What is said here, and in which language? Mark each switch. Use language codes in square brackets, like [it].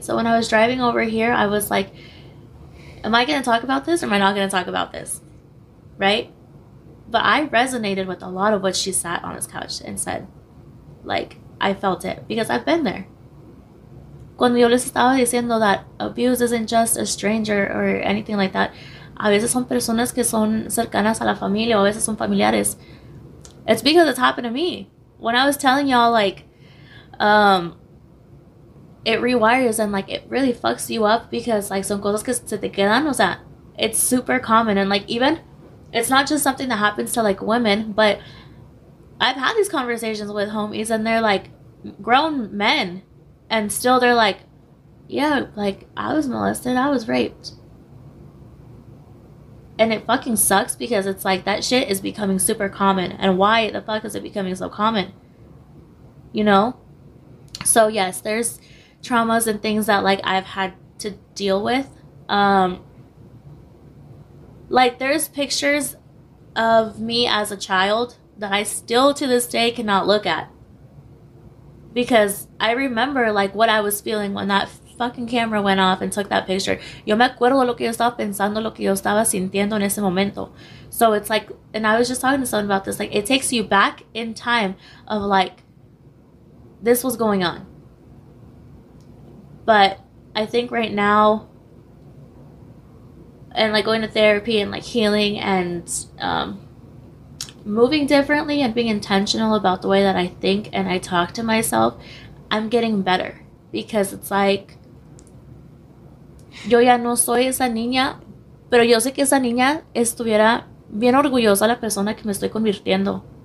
[en] So when I was driving over here, I was like, am I going to talk about this or am I not going to talk about this? Right? But I resonated with a lot of what she sat on this couch and said. Like, I felt it because I've been there. [es] Cuando yo les estaba diciendo [en] that abuse isn't just a stranger or anything like that. [es] A veces son personas que son cercanas a la familia o a veces son familiares. [en] It's because it's happened to me. When I was telling y'all, like, it rewires and like it really fucks you up because like [es] son cosas que se te quedan, o sea, [en] it's super common. And like even it's not just something that happens to like women, but I've had these conversations with homies and they're like grown men and still they're like, yeah, like I was molested, I was raped. And it fucking sucks because it's like that shit is becoming super common. And why the fuck is it becoming so common, you know? So yes, there's traumas and things that like I've had to deal with. Like there's pictures of me as a child that I still to this day cannot look at because I remember like what I was feeling when that fucking camera went off and took that picture. [es] Yo me acuerdo lo que yo estaba pensando, lo que yo estaba sintiendo en ese momento. [en] So it's like, and I was just talking to someone about this, like it takes you back in time of like this was going on. But I think right now, and like going to therapy and like healing and moving differently and being intentional about the way that I think and I talk to myself, I'm getting better because it's like, [es] yo ya no soy esa niña, pero yo sé que esa niña estuviera bien orgullosa la persona que me estoy convirtiendo.